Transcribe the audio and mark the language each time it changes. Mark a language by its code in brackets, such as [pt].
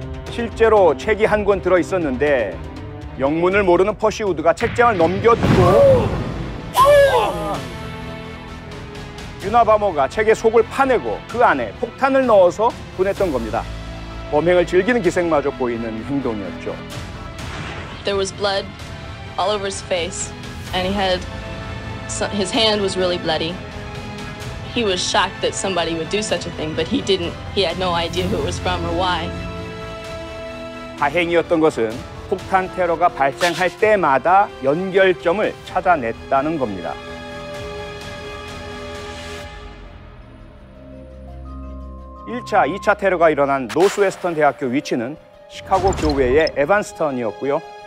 [ko] 실제로 책이 한 권 들어 있었는데 영문을 모르는 퍼시 우드가 책장을 넘겨두고 유나 바머가 책의 속을 파내고 그 안에 폭탄을 넣어서 보냈던 겁니다. 범행을 즐기는 기색마저 보이는 행동이었죠. [en] There was blood all over his face and he had his hand was really bloody. He was shocked that somebody would do such a thing but he didn't. He had no idea who it was from or why. [ko] 다행이었던 것은 폭탄 테러가 발생할 때마다 연결점을 찾아냈다는 겁니다. 1차, 2차 테러가 일어난 노스웨스턴 대학교 위치는 시카고 교외의 에반스턴이었고요.